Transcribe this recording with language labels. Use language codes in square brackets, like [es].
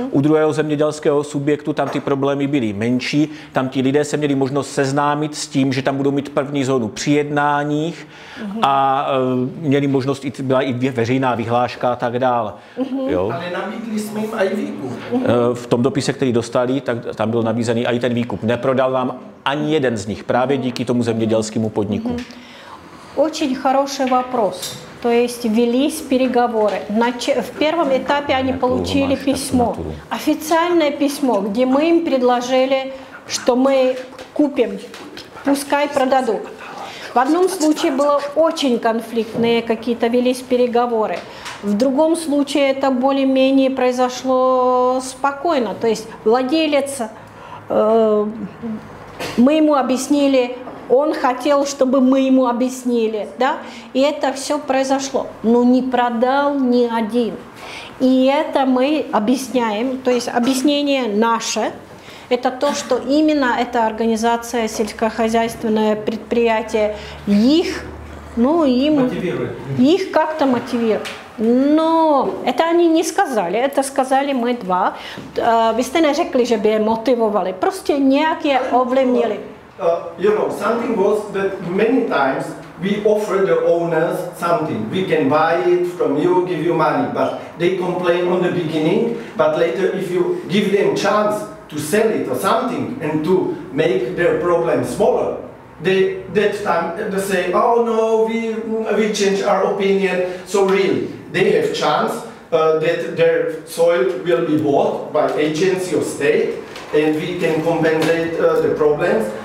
[cs] U druhého zemědělského subjektu tam ty problémy byly menší, tam ti lidé se měli možnost seznámit s tím, že tam budou mít první zónu při jednáních a měli možnost, byla i veřejná vyhláška a tak dále. Jo. Ale nabídli jsme jim i výkup. V tom dopise, který dostali, tak tam byl nabízený i ten výkup. Neprodal nám ani jeden z nich právě díky tomu zemědělskému podniku. [ru] Очень хороший вопрос. То есть велись переговоры. В первом этапе они получили письмо, официальное письмо, где мы им предложили, что мы купим, пускай продадут. В одном случае было очень конфликтные какие-то велись переговоры. В другом случае это более-менее произошло спокойно. То есть владелец, мы ему объяснили, он хотел, чтобы мы ему объяснили, да, и это все произошло, но не продал ни один. И это мы объясняем, то есть объяснение наше, это то, что именно эта организация, сельскохозяйственное предприятие, их, ну, им, их как-то мотивирует. No, to ani neskazali, to skazali my dva. [cs] Vy jste neřekli, že by je motivovali, prostě nějak je ovlivnili. [en] You know, something was that many times we offer the owners something. We can buy it from you, give you money, but they complain on the beginning, but later if you give them chance to sell it or something and to make their problem smaller, they that time they say, oh no, we change our opinion, so really, they have chance that their soil will be bought by agency or state and we can compensate the problems.